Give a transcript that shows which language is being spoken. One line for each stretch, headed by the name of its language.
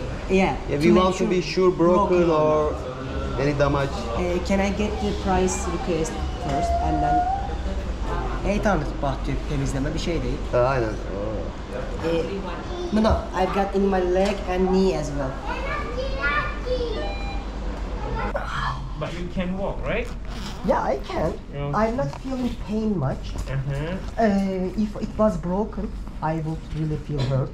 English: Yeah, we want to be sure broken or any damage. Can I get the price request first and then...
Turkish: $800 bahçe temizleme bir şey değil. Aynen.
English: No, I've got in my leg and knee as well. But you can walk, right? Yeah, I can. Yeah. I'm not feeling pain much. If it was broken, I would really feel hurt.